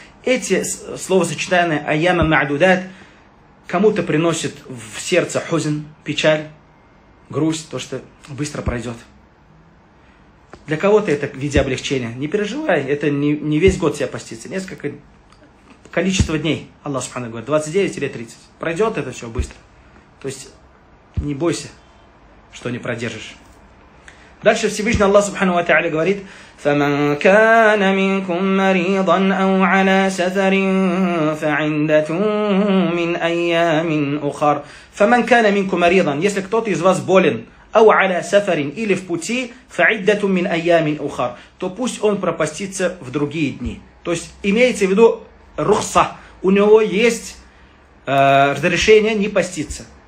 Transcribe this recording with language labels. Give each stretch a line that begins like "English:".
Russian: Эти словосочетания «Айяма маадудат» кому-то приносит в сердце хузн, печаль, грусть, то, что быстро пройдет. Для кого-то это в виде облегчения. Не переживай, это не весь год тебя постится. Несколько количество дней, Аллах Субхану говорит, 29 или 30. Пройдет это все быстро. То есть не бойся, что не продержишь. Дальше Всевышний Аллах Субхану ва Тааля говорит:
Arabic: فَمَنْ كَانَ مِنْكُمْ مَرِيضًا أَوْ عَلَى سَفَرٍ فَعِنْدَةٌ مِنْ أَيَّامٍ أُخَرٍ. فَمَنْ كَانَ مِنْكُمْ مَرِيضًا.
Russian: Если кто-то из вас болен,
Arabic: أَوْ عَلَى سَفَرٍ,
Russian: или в пути,
Arabic: فَعِنْدَةٌ مِنْ أَيَّامٍ أُخَرٍ,
Russian: то пусть он пропастится в другие дни. То есть имеется в виду рухса, у него есть разрешение не поститься.